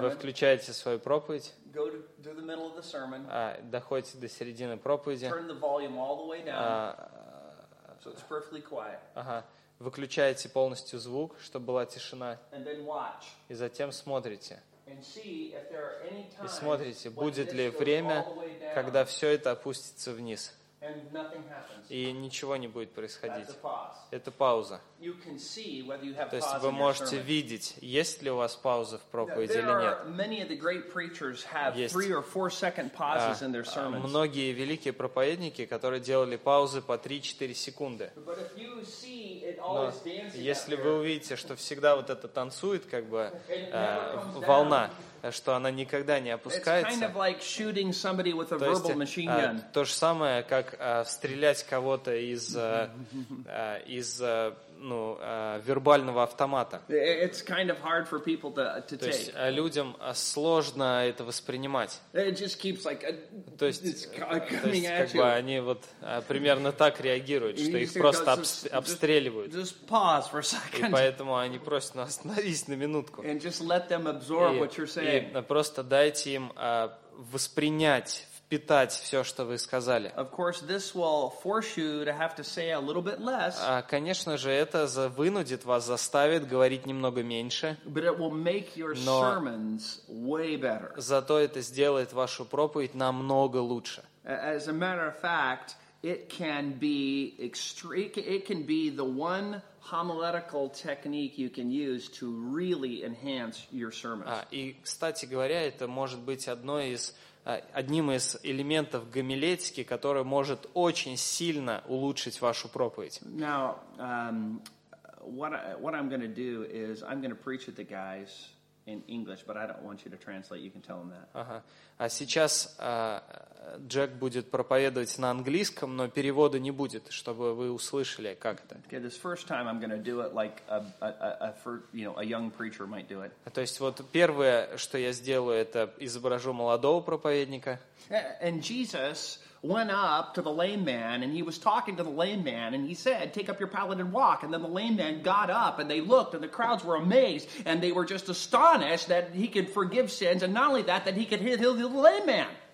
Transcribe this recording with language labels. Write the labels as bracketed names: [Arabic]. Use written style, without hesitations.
[Russian] вы включаете свою проповедь, [English] go to the middle of the sermon, [Russian] доходите до середины проповеди, [English] turn the volume all the way down, so it's perfectly quiet. [Russian] Выключаете полностью звук, чтобы была тишина. [English] And then watch. [Russian] И затем смотрите. [English] And see if there are any times, [Russian] и смотрите, будет ли время, когда все это опустится вниз. [English] And nothing happens. [Russian] И ничего не будет происходить. [English] That's a pause. [Russian] Это пауза. [English] You can see whether you have [Russian] pause. То есть вы можете видеть, есть ли у вас пауза в проповеди или нет. [English] Many of the great preachers have 3 or 4 second pauses in their sermons. [Russian] Многие великие проповедники, которые делали паузы по 3-4 секунды. [English] But if you see it always dancing, [Russian] если вы увидите, что всегда вот это танцует, как бы волна, что она никогда не опускается. [English] It's kind of like shooting somebody with a verbal machine gun. [Russian] То же самое, как стрелять кого-то из вербального автомата. [English] It's kind of hard for people to [Russian] take. То есть людям сложно это воспринимать. [English] It just keeps like coming at you. [Russian] То есть как бы они вот примерно так реагируют, что их просто обстреливают. [English] Just pause for a second. [Russian] И поэтому они просят нас остановись на минутку. [English] And just let them absorb what you're saying. [Russian] И просто дайте им воспринять, впитать все, что вы сказали. [English] Of course, this will force you to have to say a little bit less. [Russian] Конечно же, это вынудит вас, заставит говорить немного меньше. [English] But it will make your sermons way better. [Russian] Зато это сделает вашу проповедь намного лучше. [English] As a matter of fact, it can be the one homiletical technique you can use to really enhance your sermons. [Russian] И, кстати говоря, это может быть одним из элементов гомилетики, который может очень сильно улучшить вашу проповедь. [English] Now, what I'm going to do is I'm going to preach at the guys in English, but I don't want you to translate. You can tell them that. [Russian] А сейчас Джек будет проповедовать на английском, но перевода не будет, чтобы вы услышали, как это. [English] Okay, this first time I'm going to do it like a young preacher might do it. [Russian] То есть вот первое, что я сделаю, это изображу молодого проповедника. [English] And Jesus went up to the lame man, and he was talking to the lame man, and he said, take up your pallet and walk. And then the lame man got up, and they looked, and the crowds were amazed, and they were just astonished that he could forgive sins, and not only that he could heal the lame man.